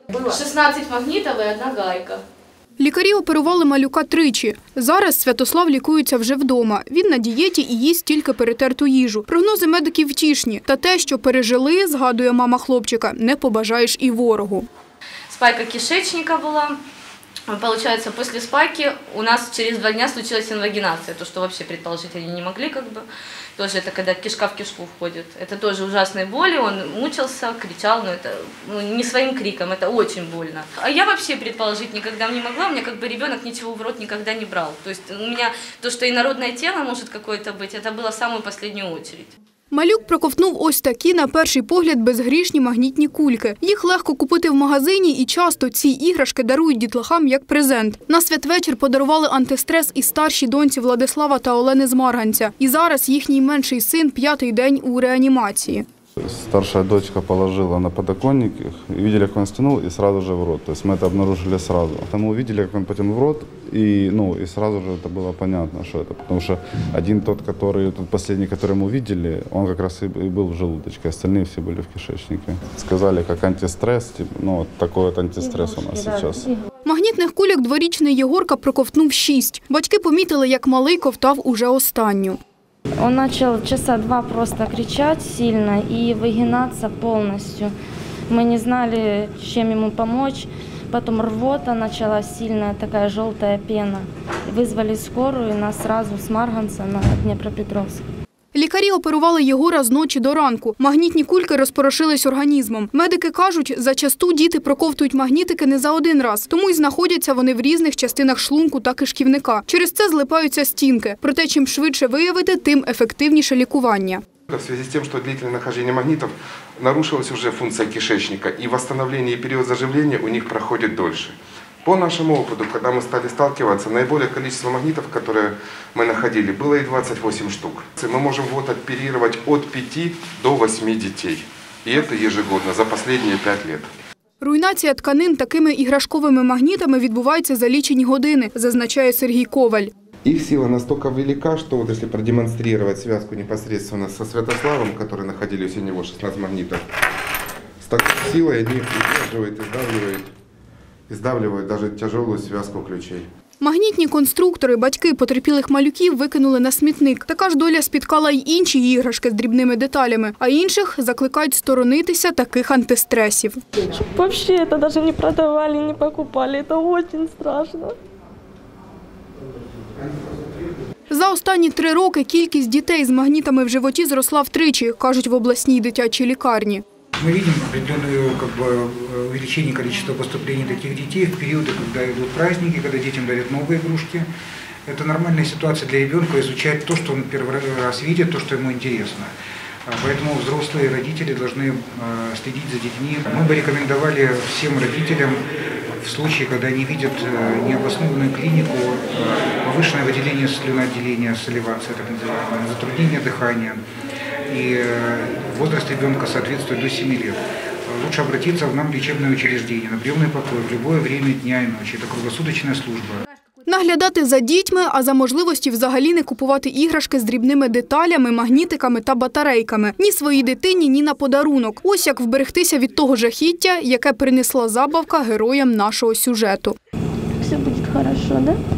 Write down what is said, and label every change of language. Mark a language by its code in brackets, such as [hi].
[uk] 16 магнітів і одна гайка. Лікарі оперували малюка тричі. Зараз Святослав лікується вже вдома. Він на дієті і їсть тільки перетерту їжу. Прогнози медиків втішні. Та те, що пережили, згадує мама хлопчика, не побажаєш і ворогу. Спайка кишечника була, [ru] Получается, после спайки у нас через 2 дня случилась инвагинация, то, что вообще предположить они не могли, как бы. Тоже это когда кишка в кишку входит. Это тоже ужасные боли, он мучился, кричал, но это не своим криком, это очень больно. А я вообще предположить никогда не могла, у меня как бы ребенок ничего в рот никогда не брал. То есть у меня то, что инородное тело может какое-то быть, это было в самую последнюю очередь. [uk] Малюк проковтнув ось такі, на перший погляд, безгрішні магнітні кульки. Їх легко купити в магазині, і часто ці іграшки дарують дітлахам як презент. На святвечір подарували антистрес і старші доньці Владислава та Олени з Марганця. І зараз їхній менший син 5-й день у реанімації. Старша дочка положила на подоконник, видели, як він стянув, і одразу ж в рот. Тобто ми це обнаружили одразу. Тому видели, як він потім в рот, і одразу ж це було зрозуміло, що це. Тому що один той, останній, який ми бачили, він якраз і був в желудочці, а остальні всі були в кишечнику. Сказали, як антистрес, такий от антистрес у нас зараз. Магнітних кульок дворічний Єгорка проковтнув 6. Батьки помітили, як малий ковтав уже останню. [ru] Он начал часа два просто кричать сильно и выгинаться полностью. Мы не знали, чем ему помочь. Потом рвота началась сильная, такая желтая пена. Вызвали скорую, нас сразу с Марганца на Днепропетровск. [uk] Лікарі оперували Єгора з ночі до ранку. Магнітні кульки розпорошились організмом. Медики кажуть, зачасту діти проковтують магнітики не за один раз. Тому і знаходяться вони в різних частинах шлунку та кишківника. Через це злипаються стінки. Проте, чим швидше виявити, тим ефективніше лікування. [ru] В связи с тем, что длительное нахождение магнитов, нарушилась уже функция кишечника, и восстановление и период заживления у них проходит дольше. По нашему опыту, когда мы стали сталкиваться, наиболее количество магнитов, которые мы находили, было и 28 штук. Мы можем вот оперировать от 5 до 8 детей. И это ежегодно, за последние 5 лет. [uk] Руйнація тканин такими іграшковими магнітами відбувається за лічені години, зазначає Сергій Коваль. [ru] Их сила настолько велика, что вот если продемонстрировать связку непосредственно со Святославом, который находились у него 16 магнитов, с такой силой они удерживают, [uk] і здавлюють навіть тяжелу зв'язку ключей. Магнітні конструктори, батьки потерпілих малюків викинули на смітник. Така ж доля спіткала й інші іграшки з дрібними деталями. А інших закликають сторонитися таких антистресів. Взагалі це навіть не продавали, не покупали. Це дуже страшно. За останні 3 роки кількість дітей з магнітами в животі зросла втричі, кажуть в обласній дитячій лікарні. [ru] Мы видим определенное как бы, увеличение количества поступлений таких детей в периоды, когда идут праздники, когда детям дарят новые игрушки. Это нормальная ситуация для ребенка изучать то, что он первый раз видит, то, что ему интересно. Поэтому взрослые родители должны следить за детьми. Мы бы рекомендовали всем родителям в случае, когда они видят необоснованную клинику, повышенное выделение слюноотделения, саливация, так называемое, затруднение дыхания. И возраст ребенка соответствует до 7 лет. Лучше обратиться в нам лечебное учреждение, на приемный покой, в любое время дня и ночи. Это круглосуточная служба. [uk] Наглядати за дітьми, а за можливості взагалі не купувати іграшки з дрібними деталями, магнітиками та батарейками. Ні своїй дитині, ні на подарунок. Ось як вберегтися від того жахіття, яке принесла забавка героям нашого сюжету. Все буде добре, да?